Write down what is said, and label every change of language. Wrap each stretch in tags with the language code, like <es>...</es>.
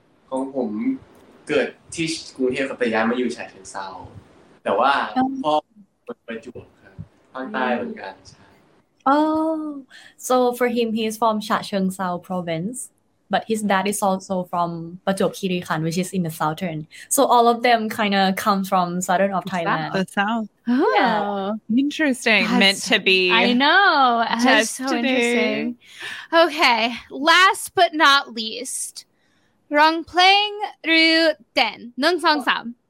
<th>ของผมเกิดที่กรุงเทพฯกับไปย้ายมาอยู่ฉะเชิงเทราแต่ว่าพ่อไปจวบครับภาคใต้เหมือนกันใช่</th> <en>Oh so for him he is from ฉะเชิงเทรา province but his dad is also from ประจวบคีรีขันธ์ which is in the southern so all of them kind of come from southern of Thailand the south Oh interesting That's, meant to be I know That's so interesting Okay last but not least ร้องเพลงหรือเต้นหนึ่งสองสาม</en>